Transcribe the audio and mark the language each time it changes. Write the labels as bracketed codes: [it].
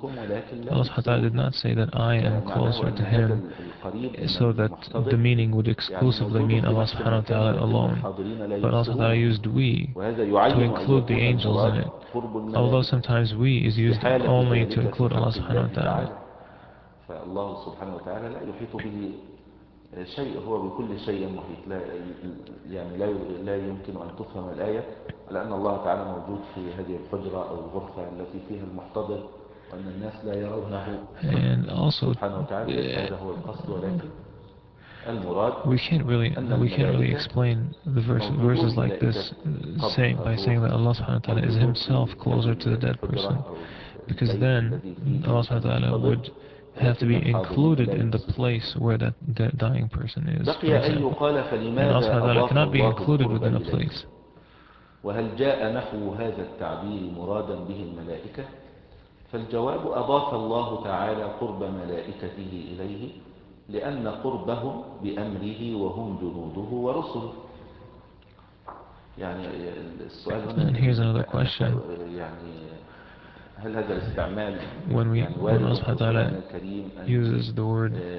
[en] Allah subhanahu wa ta'ala did not say that I am closer to him, so that the meaning would exclusively mean Allah subhanahu wa ta'ala alone. But Allah subhanahu wa ta'ala used we to include the angels in it. Although sometimes we is used only to include Allah subhanahu wa ta'ala. [ar] فالله سبحانه وتعالى لا يحيط به شيء هو بكل شيء محيط لا يعني لا يمكن أن تفهم الآية لأن الله تعالى موجود في هذه الحجرة أو الغرفة التي فيها المحتضر وأن الناس لا يرونه سبحانه وتعالى هذا هو القصد ولكن [en] We can't really explain the verses like this, saying by saying that Allah subhanahu wa ta'ala is himself closer to the dead person, because then Allah subhanahu wa ta'ala would have to be included in the place where that dying person is. For example, and Allah subhanahu wa ta'ala cannot be included within a place. [ar] وهل جاء نحو هذا التعبير مرادا به الملائكة؟ فالجواب أضاف الله تعالى قرب ملائكته إليه لأن قربهم بأمره وهم جنوده ورسله. يعني السؤال هنا. [en] And here's another question. [ar] يعني هل هذا الاستعمال [en] when Allah سبحانه وتعالى uses the word